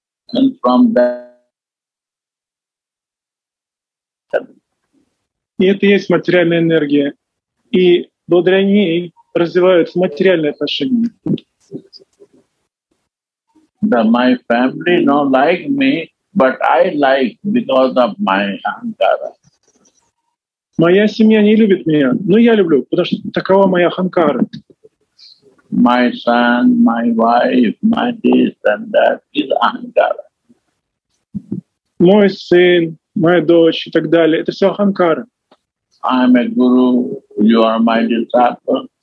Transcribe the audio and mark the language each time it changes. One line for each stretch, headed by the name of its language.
English: And from that...
Russian: И это есть материальная энергия. И благодаря ней развиваются материальные отношения.
English: The, my family don't like me, but I like because of my Ahankara.
Russian: Моя семья не любит меня, но я люблю, потому что такова моя Ahankara.
English: My son, my wife, my this and that is Ahankara.
Russian: Мой сын, моя дочь и так далее, это все Ahankara.
English: I am a guru, you are my disciple.